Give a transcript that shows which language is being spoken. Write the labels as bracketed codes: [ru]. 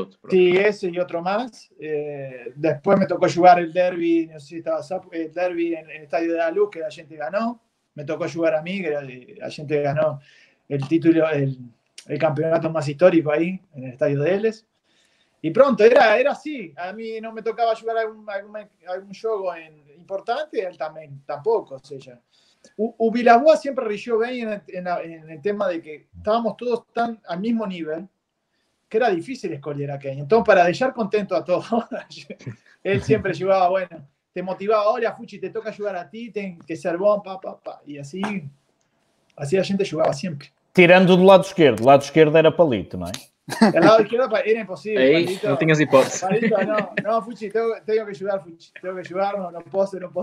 [pt] Sim, esse e outro mais. Depois me tocou jogar o derby, não sei se estava Sapo, o derby no Estádio da Luz, que a gente ganhou. Me tocou jogar a mim, que a gente ganhou o título, o campeonato mais histórico aí, no Estádio deles. [es] Y pronto, era así. A mí no me tocaba jugar algún juego importante, él también, tampoco. O sea, Vilaboa siempre rió bien en el tema de que estábamos todos tan al mismo nivel que era difícil escoger a quien. Entonces, para dejar contento a todos, él siempre llevaba, bueno, te motivaba, hola, Fuchi, te toca ayudar a ti, ten que ser bom, pa, pa, pa. Y así la gente jugaba siempre. [pt] Tirando do lado esquerdo. Lado esquerdo era Palito, não é? Do lado esquerdo era impossível. Ei, Palito, não tinhas hipótese. Palito, não. Não, Fuchi, tenho que ajudar, Fuchi. Tenho que ajudar, não posso.